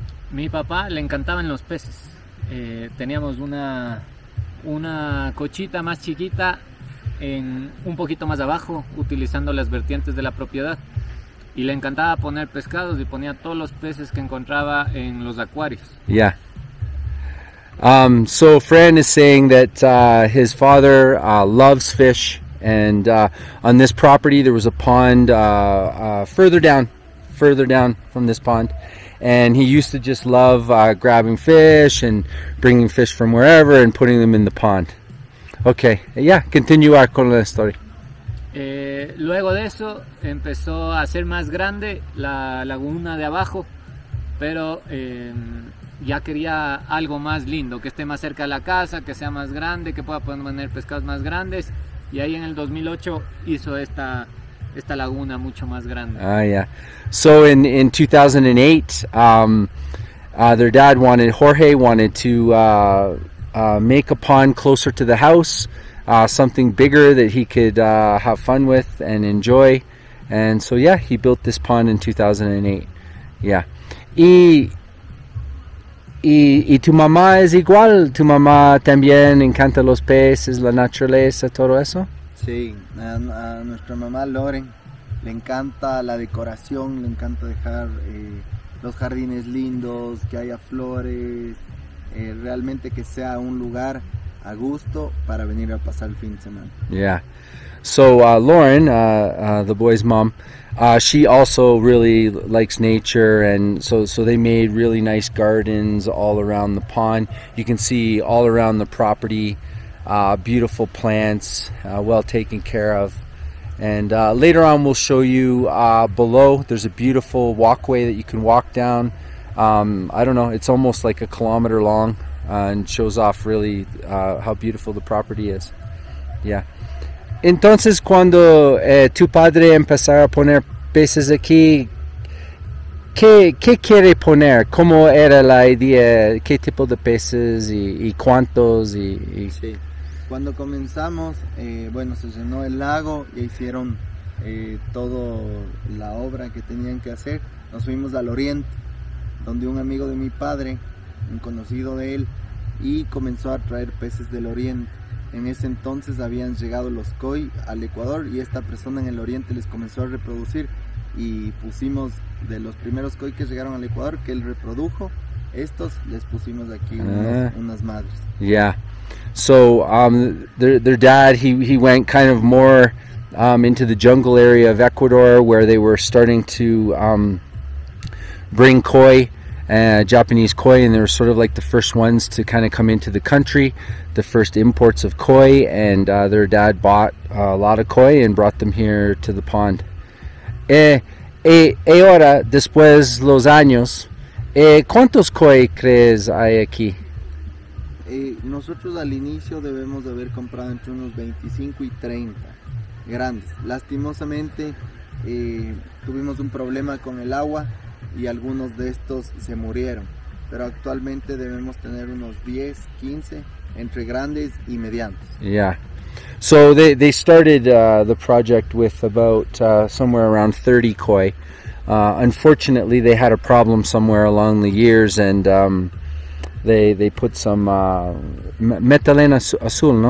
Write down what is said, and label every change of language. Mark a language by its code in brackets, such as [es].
[es] Mi papá le encantaban los peces. Teníamos una cochita más chiquita en un poquito más abajo, utilizando las vertientes de la propiedad. Y le encantaba poner pescados y ponía todos los peces que encontraba en los acuarios. [en] Yeah. So Fran is saying that his father loves fish, and on this property there was a pond further down from this pond, and he used to just love grabbing fish and bringing fish from wherever and putting them in the pond. Okay, yeah, continue our [es] con la [en] story. [es] Luego de eso empezó a ser más grande la laguna de abajo, pero ya quería algo más lindo, que esté más cerca de la casa, que sea más grande, que pueda poner pescados más grandes. Y ahí en el 2008 hizo esta laguna mucho más grande. [en] Yeah. So in 2008, their dad wanted Jorge wanted to make a pond closer to the house, something bigger that he could have fun with and enjoy. And so yeah, he built this pond in 2008. Yeah. [es] Y tu mamá es igual. Tu mamá también encanta los peces, la naturaleza, todo eso. Sí, a nuestra mamá Loren le encanta la decoración, le encanta dejar los jardines lindos, que haya flores, realmente que sea un lugar a gusto para venir a pasar el fin de semana. [en] Yeah. So Lauren, the boy's mom, she also really likes nature, and so they made really nice gardens all around the pond. You can see all around the property, beautiful plants, well taken care of. And later on, we'll show you below. There's a beautiful walkway that you can walk down. I don't know, it's almost like a kilometer long, and shows off really how beautiful the property is. Yeah. [es] Entonces, cuando tu padre empezara a poner peces aquí, ¿qué quiere poner? ¿Cómo era la idea? ¿Qué tipo de peces y cuántos? Sí, cuando comenzamos, bueno, se llenó el lago y hicieron toda la obra que tenían que hacer. Nos fuimos al oriente, donde un amigo de mi padre, un conocido de él, y comenzó a traer peces del oriente. En ese entonces habían llegado los koi al Ecuador y esta persona en el oriente les comenzó a reproducir y pusimos de los primeros koi que llegaron al Ecuador, que él reprodujo, estos les pusimos aquí unas madres. [en] Yeah. So their dad, he went kind of more into the jungle area of Ecuador, where they were starting to bring koi, Japanese koi, and they were sort of like the first ones to kind of come into the country, the first imports of koi. And their dad bought a lot of koi and brought them here to the pond. [es] Y ahora, después los años, ¿cuántos koi crees hay aquí? Nosotros al inicio debemos de haber comprado entre unos 25 y 30 grandes. Lastimosamente tuvimos un problema con el agua y algunos de estos se murieron. Pero actualmente debemos tener unos 10, 15 entre grandes y medianos. [en] Yeah. So they started the project with about somewhere around 30 koi. Unfortunately, they had a problem somewhere along the years, and they put some [es] metalena azul, no?